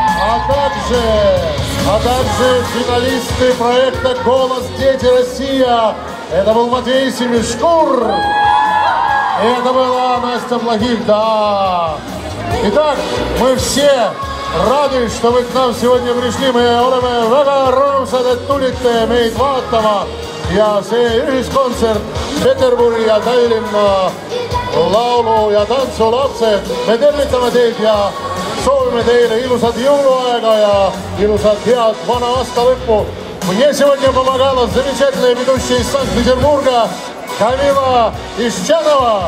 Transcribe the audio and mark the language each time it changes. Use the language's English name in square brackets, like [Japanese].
[Russian] А также финалисты проекта «Голос Дети Россия». Это был Матвей Семишкур. Это была Настя Плохих, да. Итак, мы все рады, что вы к нам сегодня пришли. [Estonian] Мы oleme väga rõõmsad, et tulite meid vaatama. Ja see ühiskonsert Peterburi ja Tallinna laulu ja tantsu lapsed. Me tervitame teid ja soovime teile ilusat jõuluaega ja ilusat head vana aasta lõppu. [Russian] Мне сегодня помогала замечательная ведущая из Санкт-Петербурга Камила Ищанова.